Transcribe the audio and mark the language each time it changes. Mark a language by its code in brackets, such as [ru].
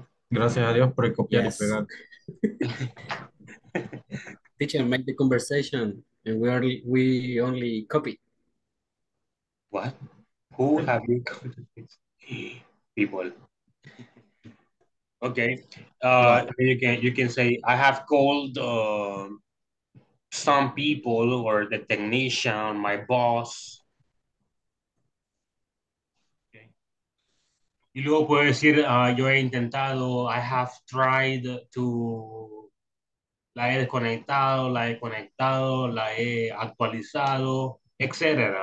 [es] Gracias a Dios por el copiar y pegar. [en] Teacher, make the conversation and we only copy. What? Who have you copied? People. Okay. You can say I have called some people or the technician, my boss. [es] Y luego puedo decir, yo he intentado, [en] I have tried to, [es] la he conectado, la he actualizado, etc.